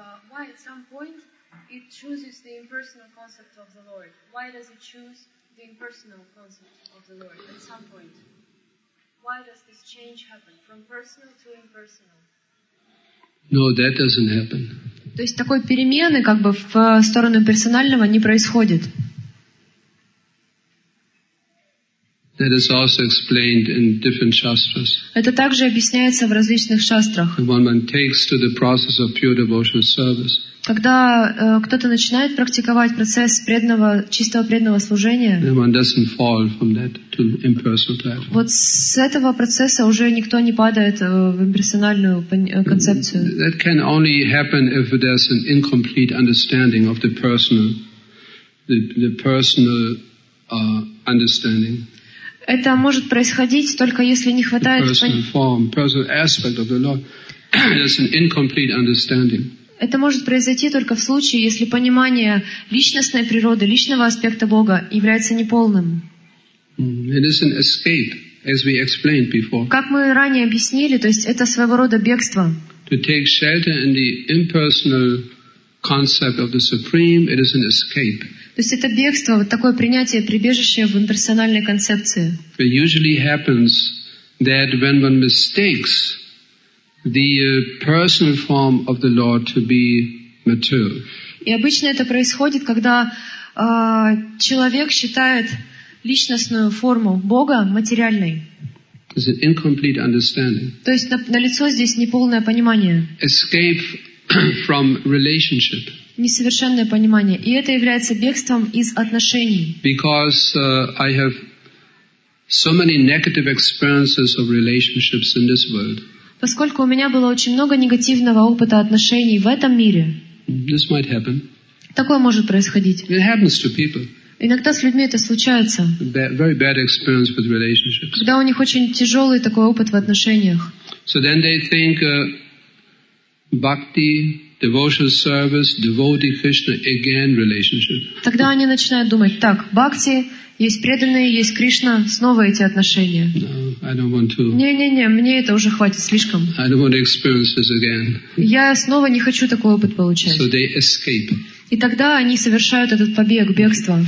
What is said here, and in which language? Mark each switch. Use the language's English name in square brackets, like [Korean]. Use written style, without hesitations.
[English] Why at some point it chooses the impersonal concept of the Lord? Why does it choose the impersonal concept of the Lord at some point? Why does this change happen from personal to impersonal? No, that doesn't happen. [Russian] То есть такой перемены как бы в сторону персонального не происходит. [English] That is also explained in different shastras. [Russian] Это также объясняется в различных шастрах. [English] When one takes to the process of pure devotional service. [Russian] Когда кто-то начинает практиковать процесс преданного, чистого преданного служения. [English] Then one doesn't fall from that to impersonal type. [Russian] Вот с этого процесса уже никто не падает в имперсональную концепцию. [English] That can only happen if there's an incomplete understanding of the personal understanding. [Russian] Это может происходить только если не хватает Это может произойти только в случае, если понимание личностной природы, личного аспекта Бога является неполным. [English] It is an escape, as we explained before. [Russian] Как мы ранее объяснили, то есть это своего рода бегство. [English] To take shelter in the impersonal concept of the Supreme, it is an escape. [Russian] То есть это бегство, вот такое принятие прибежища в имперсональной концепции. [English] It usually happens that when one mistakes the personal form of the Lord to be material. [Russian] И обычно это происходит, когда человек считает личностную форму Бога материальной. [English] It's an incomplete understanding. [Russian] То есть налицо здесь неполное понимание. [English] Escape from relationship. [Russian] Несовершенное понимание. И это является бегством из отношений. [English] Because I have so many negative experiences of relationships in this world. [Russian] Поскольку у меня было очень много негативного опыта отношений в этом мире. [English] This might happen. [Russian] Такое может происходить. [English] It happens to people. [Russian] Иногда с людьми это случается. [English] Very bad experience with relationships. [Russian] Когда у них очень тяжелый такой опыт в отношениях. [English] So then they think bhakti, devotional service, devotee Krishna, again relationship. [Russian] Тогда они начинают думать: так, бхакти, есть преданные, есть Кришна, снова эти отношения. [English] No, I don't want to. [Russian] Не, мне это уже хватит слишком. [English] I don't want to experience this again. [Russian] Я снова не хочу такой опыт получать. [English] So they escape. [Russian] И тогда они совершают этот побег, бегство.